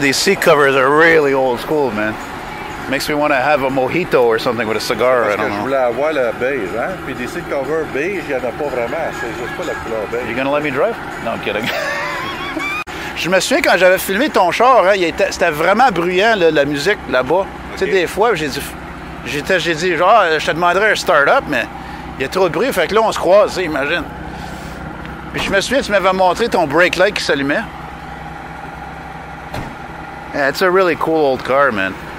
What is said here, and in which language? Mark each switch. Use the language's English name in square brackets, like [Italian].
[English] These seat covers are really old school, man. Makes me want to have a mojito or something with a cigar, [French] parce [English] I don't [French] que [English] know. [French] Je voulais avoir le beige, hein? Puis des seat covers beige, il n'y en a pas vraiment. C'est juste pas la couleur beige. [English] You gonna let me drive? No, I'm kidding. [French] Je me souviens quand j'avais filmé ton char, hein, c'était vraiment bruyant, la musique là-bas. Okay. Tu sais, des fois, j'ai dit, genre, je te demanderais un start-up, mais il y a trop de bruit. Fait que là, on se croise, imagine. Puis je me souviens, tu m'avais montré ton brake light qui s'allumait. [English] Yeah, it's a really cool old car, man.